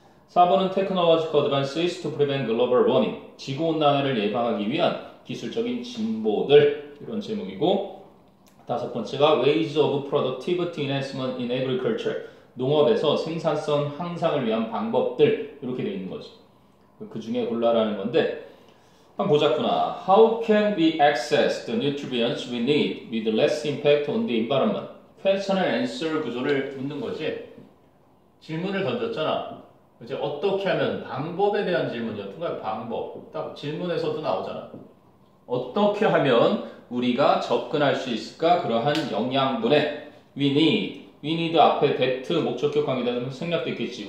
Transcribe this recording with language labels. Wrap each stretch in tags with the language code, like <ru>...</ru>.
<ko>4번은</ko> <en>technological advances to prevent global warming.</en> <ko>지구온난화를 예방하기 위한 기술적인 진보들. 이런 제목이고, 다섯 번째가</ko> <en>Ways of Productivity Enhancement in Agriculture.</en> <ko>농업에서 생산성 향상을 위한 방법들. 이렇게 되어 있는 거지. 그 중에 골라라는 건데. 한번 보자꾸나.</ko> <en>How can we access the nutrients we need with less impact on the environment? Question and answer</en> <ko>구조를 묻는 거지. 질문을 던졌잖아. 이제 어떻게 하면 방법에 대한 질문이었던 거야. 방법. 딱 질문에서도 나오잖아. 어떻게 하면 우리가 접근할 수 있을까? 그러한 영양분에 we need 앞에 that 목적격 관계되는 생략됐겠지.</ko>